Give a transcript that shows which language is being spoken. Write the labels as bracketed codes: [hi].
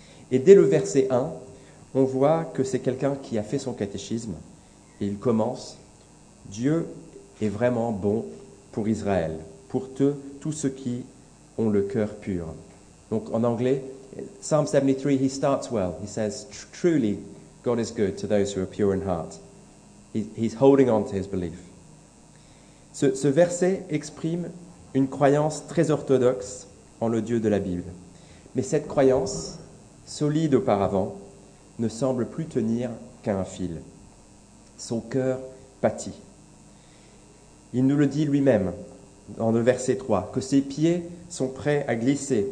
[fr] Et dès le verset 1, on voit que c'est quelqu'un qui a fait son catéchisme. Et il commence, « Dieu est vraiment bon pour Israël, pour tous ceux qui ont le cœur pur. » Donc en anglais, [en] Psalm 73, he starts well. He says, « Truly, God is good to those who are pure in heart. » He's holding on to his belief. [fr] Ce verset exprime une croyance très orthodoxe en le Dieu de la Bible. Mais cette croyance, solide auparavant, ne semble plus tenir qu'à un fil. Son cœur pâtit. Il nous le dit lui-même, dans le verset 3, que ses pieds sont prêts à glisser.